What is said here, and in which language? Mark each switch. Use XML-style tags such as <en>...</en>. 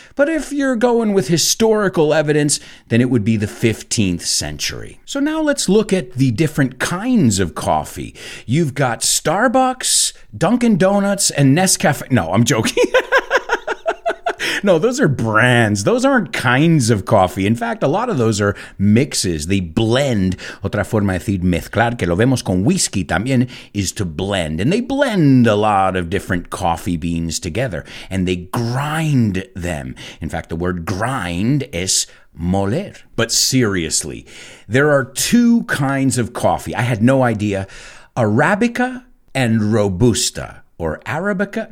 <en>But if you're going with historical evidence, then it would be the 15th century. So now let's look at the different kinds of coffee. You've got Starbucks, Dunkin' Donuts, and Nescafe. No, I'm joking. No, those are brands. Those aren't kinds of coffee. In fact, a lot of those are mixes. They blend.</en> <es>Otra forma de decir mezclar, que lo vemos con whisky también, is to blend.</es> <en>And they blend a lot of different coffee beans together. And they grind them. In fact, the word grind is moler. But seriously, there are two kinds of coffee. I had no idea. Arabica and Robusta. Or Arabica?</en>